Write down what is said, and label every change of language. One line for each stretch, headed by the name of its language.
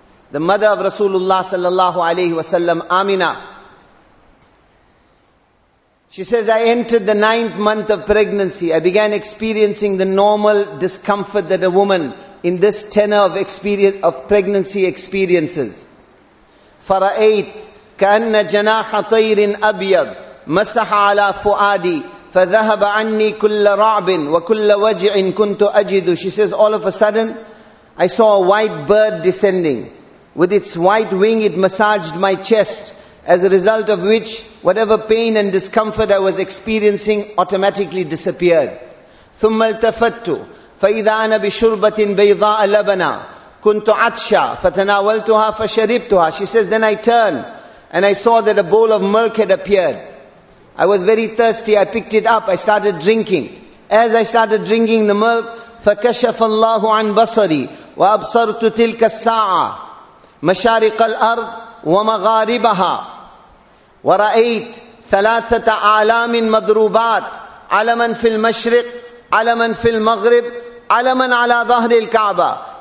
English: The mother of Rasulullah sallallahu alaihi wasallam, Amina, she says, I entered the 9th month of pregnancy. I began experiencing the normal discomfort that a woman in this tenor of experience of pregnancy experiences.
Arabic: Fara'ayt كأن جناح طير أبيض مسح على فؤادي فذهب عني كل رعب وكل وجع كنت أجده.
English: She says, all of a sudden, I saw a white bird descending. With its white wing, it massaged my chest. As a result of which, whatever pain and discomfort I was experiencing automatically disappeared.
Arabic: ثم التفت فإذا أنا بشربة بيضاء لبنا كنت عطشا فتناولتها فشربتها.
English: She says, then I turned and I saw that a bowl of milk had appeared. I was very thirsty. I picked it up. I started drinking. As I started drinking the milk,
Arabic: فَكَشَفَ اللَّهُ عَنْ بَصَرِي وَأَبْصَرْتُ تِلْكَ السَّاعَةِ مَشَارِقَ الْأَرْضِ وَمَغَارِبَهَا وَرَأَيْتْ ثَلَاثَةَ عَلَامٍ مَضْرُوبَاتٍ عَلَمًا فِي الْمَشْرِقِ عَلَمًا فِي الْمَغْرِبِ عَلَمًا عَلَى ظَهْرِ الْكَعْبَةِ.